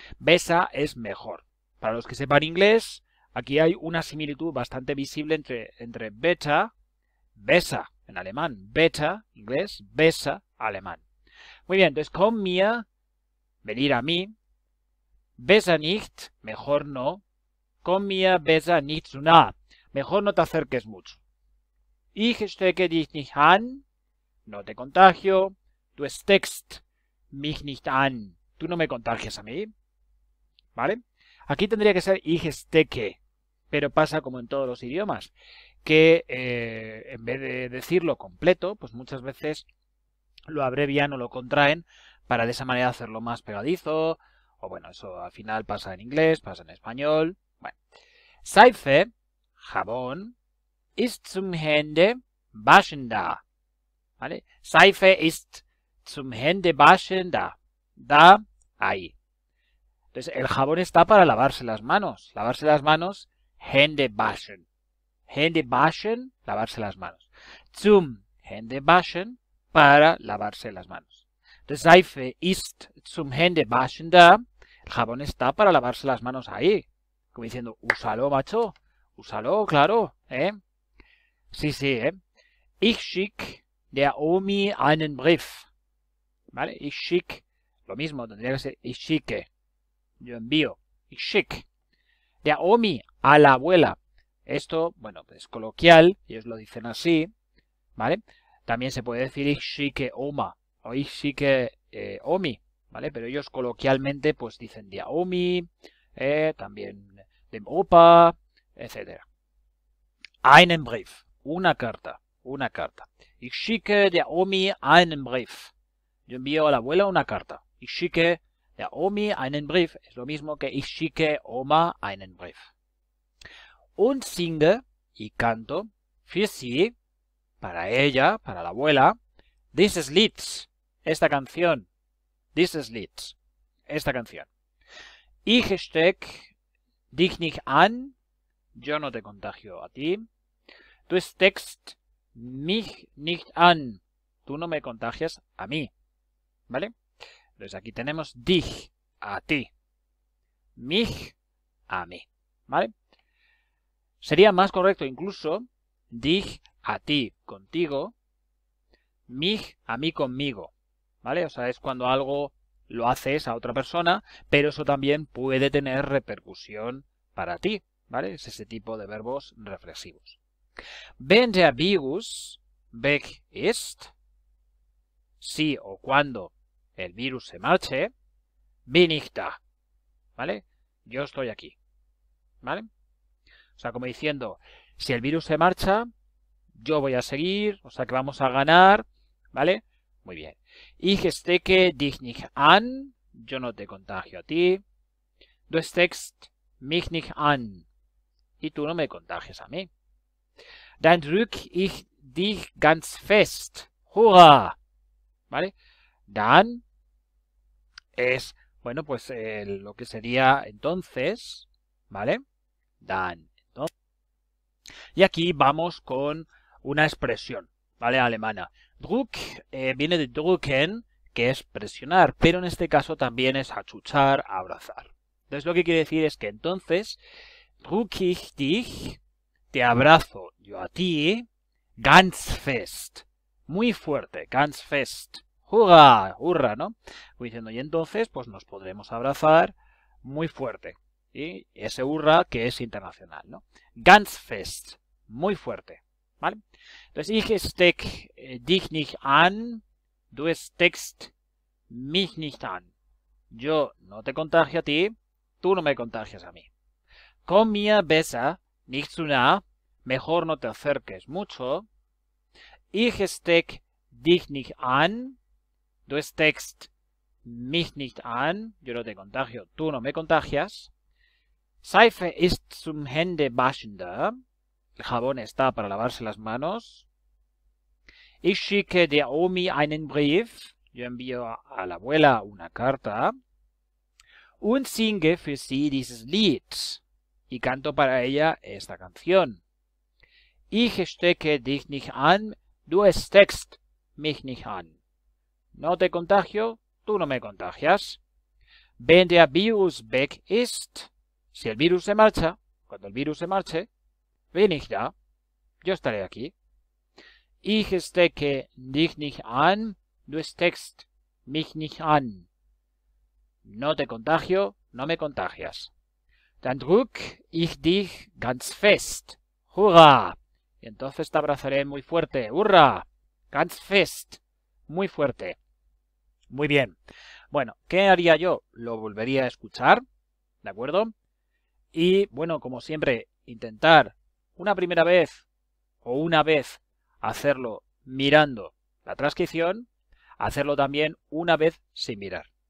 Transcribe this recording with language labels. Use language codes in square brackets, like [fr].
[es] Besa es mejor. Para los que sepan inglés, aquí hay una similitud bastante visible entre beta, besa en alemán, beta, inglés, besa, alemán. Muy bien, entonces, con mia, venir a mí, besa nicht, mejor no, con mia besa [de] nicht zu nah, [es] mejor no te acerques mucho. [de] Ich stecke dich nicht an, [es] no te contagio, [de] du steckst mich nicht an, [es] tú no me contagias a mí, ¿vale? Aquí tendría que ser ich stecke, pero pasa como en todos los idiomas, que en vez de decirlo completo, pues muchas veces lo abrevian o lo contraen para de esa manera hacerlo más pegadizo, o bueno, eso al final pasa en inglés, pasa en español. Bueno, Seife, jabón. [de] Ist zum Hände waschen da. [es] ¿Vale? [de] Seife ist zum Hände waschen da. [es] Da, ahí. Entonces, el jabón está para lavarse las manos. Lavarse las manos, Hände waschen. [de] Hände waschen, [es] lavarse las manos. [de] Zum Hände waschen, [es] para lavarse las manos. Entonces, [de] Seife ist zum Hände waschen da. [es] El jabón está para lavarse las manos ahí. Como diciendo, úsalo, macho. Úsalo, claro, ¿eh? Sí, ¿eh? [de] Ich schick der Omi einen Brief. [es] ¿Vale? Ich schick, lo mismo, tendría que ser [de] ich schicke. [es] Yo envío. Ich schick. [de] Der Omi, [es] a la abuela. Esto, bueno, es coloquial, ellos lo dicen así. ¿Vale? También se puede decir [de] ich schicke Oma o ich schicke Omi. [es] ¿Vale? Pero ellos coloquialmente, pues dicen der Omi, también dem Opa, etc. [de] Einen Brief. [es] Una carta, una carta. [de] Ich schicke der Omi einen Brief. [es] Yo envío a la abuela una carta. [de] Ich schicke der Omi einen Brief. [es] Es lo mismo que [de] ich schicke Oma einen Brief. Und singe [es] y canto [de] für sie, [es] para ella, para la abuela, [de] dieses Lied, [es] esta canción. [de] Dieses Lied, [es] esta canción. [de] Ich steck dich nicht an. [es] Yo no te contagio a ti. [de] Du steckst mich nicht an. [es] Tú no me contagias a mí. ¿Vale? Entonces aquí tenemos dich, a ti. Mich, a mí. ¿Vale? Sería más correcto incluso dich, a ti, contigo. Mich, a mí, conmigo. ¿Vale? O sea, es cuando algo lo haces a otra persona, pero eso también puede tener repercusión para ti. ¿Vale? Es ese tipo de verbos reflexivos. [de] Wenn der Virus weg ist, [es] si o cuando el virus se marche, [de] bin ich da. [es] ¿Vale? Yo estoy aquí. ¿Vale? O sea, como diciendo, si el virus se marcha, yo voy a seguir, o sea que vamos a ganar. ¿Vale? Muy bien. [de] Ich stecke dich nicht an, [es] yo no te contagio a ti. [de] Du steckst mich nicht an, [es] y tú no me contagias a mí. [de] Dann drück ich dich ganz fest. [es] ¡Hurra! ¿Vale? Dann es, bueno, pues lo que sería entonces. ¿Vale? Dann. Entonces. Y aquí vamos con una expresión, ¿vale? Alemana. Druck viene de drücken, que es presionar, pero en este caso también es achuchar, abrazar. Entonces lo que quiere decir es que entonces, [de] drück ich dich. [es] Te abrazo yo a ti, [de] ganz fest, [es] muy fuerte, ganz fest, hurra, hurra, ¿no? Voy diciendo, y entonces, pues nos podremos abrazar muy fuerte, y ¿sí? Ese hurra que es internacional, ¿no? [de] Ganz fest, [es] muy fuerte, ¿vale? Entonces, [de] ich steck dich nicht an, du steckst mich nicht an. [es] Yo no te contagio a ti, tú no me contagias a mí. Con mia besa, [de] nicht zu nah, [es] mejor no te acerques mucho. [de] Ich steck dich nicht an. Du steckst mich nicht an. [es] Yo no te contagio. Tú no me contagias. [de] Seife ist zum Hände waschen da. [es] El jabón está para lavarse las manos. [de] Ich schicke der Omi einen Brief. [es] Yo envío a la abuela una carta. [de] Und singe für sie dieses Lied. [es] Y canto para ella esta canción. [de] Ich stecke dich nicht an. Du steckst mich nicht an. [es] No te contagio. Tú no me contagias. [de] Wenn der Virus weg ist. [es] Si el virus se marcha. Cuando el virus se marche. [de] Bin ich da. [es] Yo estaré aquí. [de] Ich stecke dich nicht an. Du steckst mich nicht an. [es] No te contagio. No me contagias. [de] Dann drück ich dich ganz fest. Hurra. [es] Y entonces te abrazaré muy fuerte. ¡Hurra! [de] ¡Ganz fest! [es] Muy fuerte. Muy bien. Bueno, ¿qué haría yo? Lo volvería a escuchar. ¿De acuerdo? Y, bueno, como siempre, intentar una primera vez o una vez hacerlo mirando la transcripción, hacerlo también una vez sin mirar.